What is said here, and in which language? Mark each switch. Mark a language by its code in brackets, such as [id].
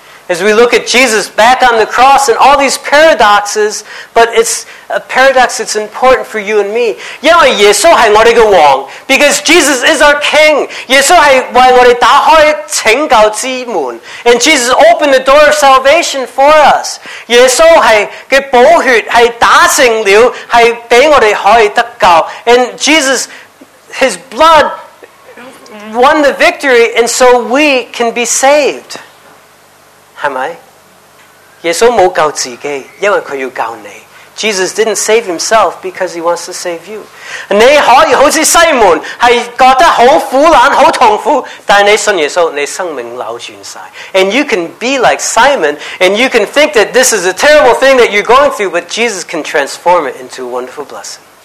[en] As we look at Jesus back on the cross and all these paradoxes, but it's a paradox that's important for you and me. [zh] 因为耶稣是我们的王, [en] because Jesus is our king. [zh] 耶稣是为我们打开拯救之门, [en] and Jesus opened the door of salvation for us. [zh] 耶稣是的宝血是打成了, 是给我们可以得救, [en] and Jesus, his blood won the victory, and so we can be saved. [zh] 是吗？耶稣没救自己，因为他要救你。 [en] Jesus didn't save himself because he wants to save you. [zh] 你可以好像西门，是觉得很苦难、很痛苦，但你信耶稣，你生命扭转了。 [en] And you can be like Simon, and you can think that this is a terrible thing that you're going through, but Jesus can transform it into a wonderful blessing.